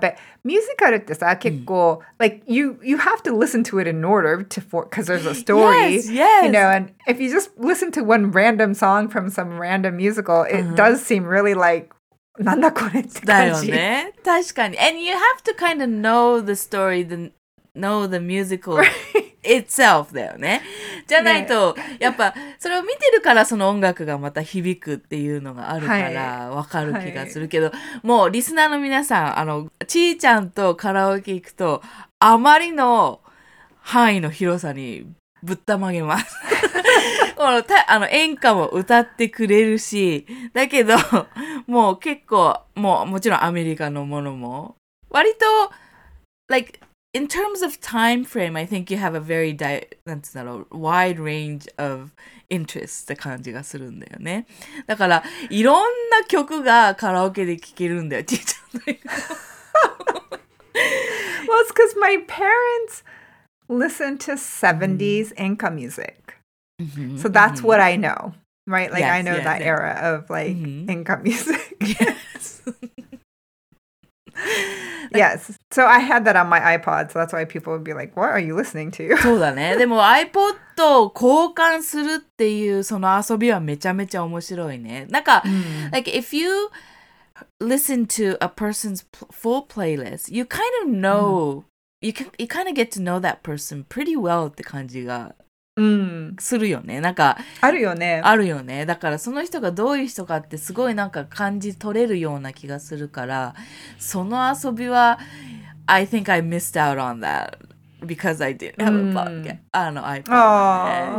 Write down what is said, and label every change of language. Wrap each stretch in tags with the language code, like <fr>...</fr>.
<en>But musical</en> <ja>ってさ、結構、</ja> <en>like you have to listen to it in order because there's a story. Yes. You know, and if you just listen to one random song from some random musical, it does seem really like,</en> <ja>なんだこれって感じ。だよね。確かに。</ja> <en>And you have to kind of know the story, know the musical. Right.</en> <ja>itself だよね。じゃないと、ね、やっぱそれを見てるからその音楽がまた響くっていうのがあるからわかる気がするけど、はいはい、もうリスナーの皆さん、あのちーちゃんとカラオケ行くとあまりの範囲の広さにぶったまげます。あの演歌も歌ってくれるし、だけどもう結構もうもちろんアメリカのものも割と</ja> <en>likeIn terms of time frame, I think you have a very wide range of interests</en> <ja>って感じがするんだよね。だから、いろんな曲がカラオケで聴けるんだよ、ちーちゃんの。</ja> <en>Well, it's because my parents listen to 70s Inca music. So that's what I know, right? Like, I know that era of, like, Inca music. Yes. Yes. So I had that on my iPod. So that's why people would be like, what are you listening to?</en> <ja>そうだね。でも iPod を交換するっていうその遊びはめちゃめちゃ面白いね。なんか、mm.</ja> <en>like if you listen to a person's full playlist, you kind of know,、mm. you kind of get to know that person pretty well</en> <ja>って感じが。うん、するよね。なんかあるよね。あるよね。だからその人がどういう人かってすごいなんか感じ取れるような気がするから、その遊びは</ja> <en>I think I missed out on that because I didn't have a podcast.</en> <ja>あの iPod。</ja>